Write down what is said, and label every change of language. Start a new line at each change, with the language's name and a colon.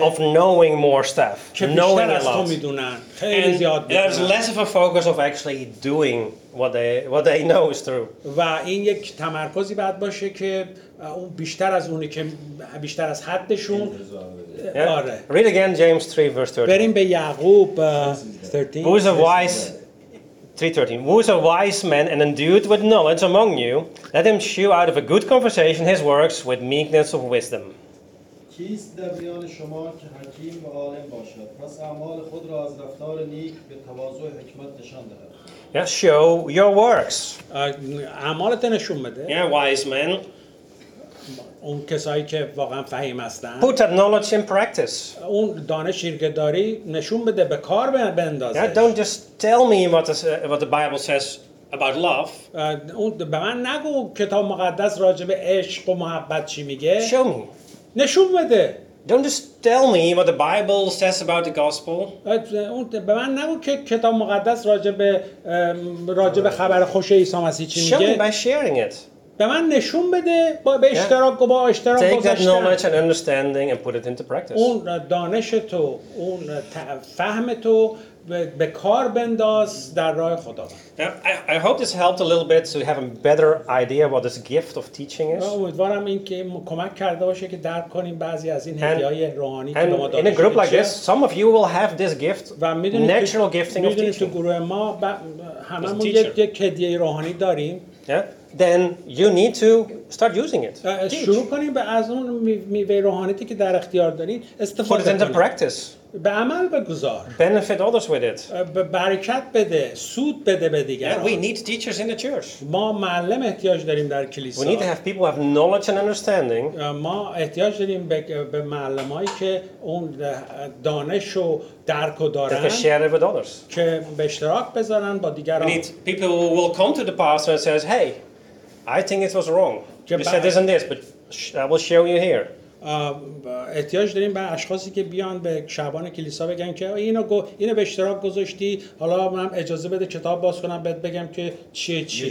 English: of knowing more stuff, knowing a lot. There's less of a focus of actually doing what they know is true.
Persian: و این یک تمرکزی باید باشه که اون بیشتر از اونی که بیشتر از حدشون. آره.
English: Read again James 3 verse 13.
Persian: بریم به یعقوب 13.
English: Who's a wise 3:13. Who is a wise man and endued with knowledge among you? Let him shew out of a good conversation his works with meekness of wisdom.
Persian: کیست در میان شما که حکیم و عالم باشد؟ پس اعمال خود را از رفتار نیک به تواضع حکمت نشان دهد.
English: Yeah, show your works.
Persian: اعمالت نشون بده.
English: Yeah, wise man.
Persian: اون کسایی که واقعا فهیم هستن.
English: Put that knowledge in practice.
Persian: اون دانشی که داری نشون بده، به کار بندازش.
English: Yeah, don't just tell me what the Bible says about love.
Persian: اون به من نگو کتاب مقدس راجع به عشق و محبت چی میگه.
English: Show me.
Persian: نشون بده.
English: Don't just tell me what the Bible says about the gospel.
Persian: اون به من نگو که کتاب مقدس راجع به خبر خوش عیسی مسیح چی میگه.
English: Show me by sharing it.
Persian: به من نشون بده به اشتراک و با اشتراک گذاشتن.
English: Take that knowledge and understanding and put it into practice.
Persian: اون دانش تو، اون فهم تو به کار بنداز در راه خدا.
English: I hope this helped a little bit so you have a better idea what this gift of teaching is.
Persian: امیدوارم این که کمک کرده باشه که درک کنیم بعضی از این هدیه‌های روحانی که ما داریم.
English: In a group like this, some of you will have this gift, natural gifting of teaching.
Persian: تو گروه ما هممون یک هدیه روحانی داریم.
English: then you need to start using it.
Persian: شروع کنیم به از اون میوه روحانیتی که در اختیار دارین استفاده کنیم.
English: Put it into practice.
Persian: به عمل بگذار.
English: Benefit others with it.
Persian: برکت بده، سود بده به دیگران.
English: We need teachers in the church.
Persian: ما معلم احتیاج داریم در کلیسا.
English: We need to have people who have knowledge and understanding.
Persian: ما احتیاج داریم به معلمایی که اون دانش و درک رو دارن.
English: To share with others.
Persian: که به اشتراک بذارن با دیگران.
English: We need people who will come to the pastor and says, "Hey, I think it was wrong. You said this and this, but I will show you here."
Persian: احتیاج داریم به اشخاصی که بیان به شعبان کلیسا بگن که اینو به اشتراک گذاشتی، حالا من اجازه بده کتاب باز کنم بهت بگم که چیه